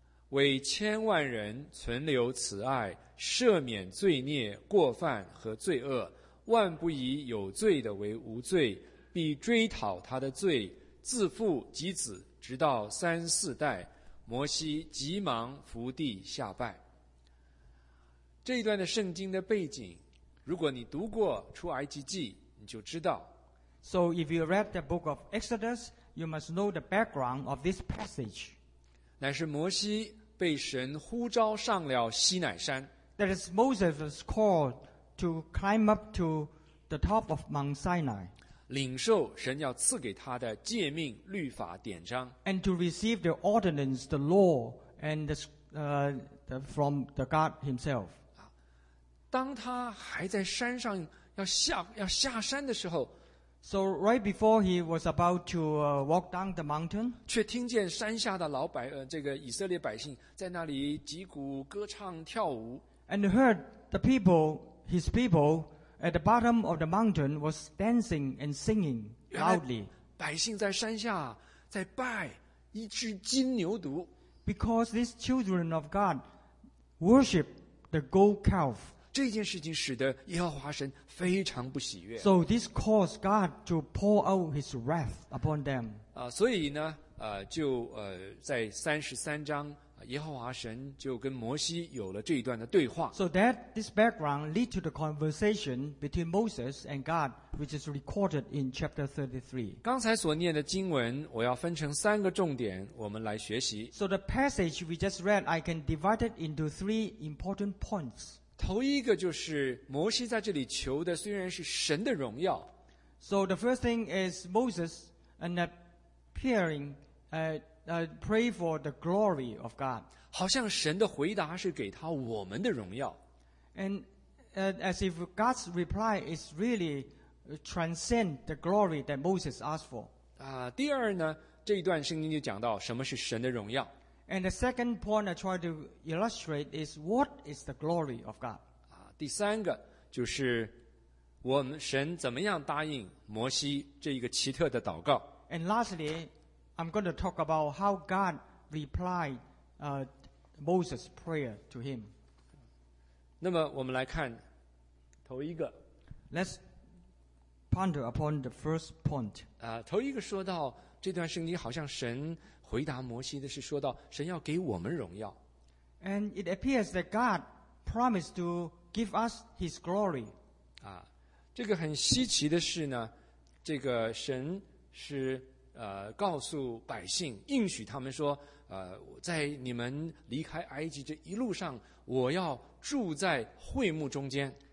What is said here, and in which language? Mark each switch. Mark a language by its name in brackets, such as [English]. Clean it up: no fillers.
[Chinese] 为千万人存留慈爱，赦免罪孽、过犯和罪恶，万不以有罪的为无罪，必追讨他的罪，自父及子，直到三四代。摩西急忙伏地下拜。这一段的圣经的背景，如果你读过出埃及记，你就知道。 [English] So if you read the book of Exodus, you must know the background of this passage. [Chinese] 乃是摩西被神呼召上了西乃山。 [English] That is Moses was called to climb up to the top of Mount Sinai. [Chinese] 领受神要赐给他的诫命、律法、典章。 [English] And to receive the ordinance, the law, and from the God Himself. [Chinese] 当他还在山上要下山的时候， [English] So right before he was about to walk down the mountain, [Chinese] 却听见山下的老百这个以色列百姓在那里击鼓歌唱跳舞。 [English] And heard the people, his people, at the bottom of the mountain was dancing and singing loudly. [Chinese] 百姓在山下在拜一只金牛犊。 [English] Because these children of God worship the gold calf. [Chinese] 这件事情使得耶和华神非常不喜悦。 [English] So this caused God to pour out His wrath upon them. [Chinese] 所以呢，就在三十三章，耶和华神就跟摩西有了这一段的对话。 [English] So that this background led to the conversation between Moses and God, which is recorded in chapter 33. [Chinese] 刚才所念的经文，我要分成三个重点，我们来学习。 [English] So the passage we just read, I can divide it into three important points. [Chinese] 头一个就是摩西在这里求的虽然是神的荣耀。 [English] So the first thing is Moses and appearing, pray for the glory of God. [Chinese] 好像神的回答是给他我们的荣耀。 [English] And as if God's reply is really transcend the glory that Moses asked for. [Chinese] 第二呢，这一段圣经就讲到什么是神的荣耀。 [English] And the second point I try to illustrate is what is the glory of God? [Chinese] 第三个就是我们神怎么样答应摩西这一个奇特的祷告。 [English] And lastly, I'm going to talk about how God replied, Moses' prayer to him. [Chinese] 那么我们来看头一个。 [English] Let's ponder upon the first point. [Chinese] 头一个说到这段圣经好像神回答摩西的是说到神要给我们荣耀。 [English] And it appears that God promised to give us His glory. [Chinese] 这个很稀奇的是呢，这个神是告诉百姓，应许他们说，在你们离开埃及这一路上，我要住在会幕中间。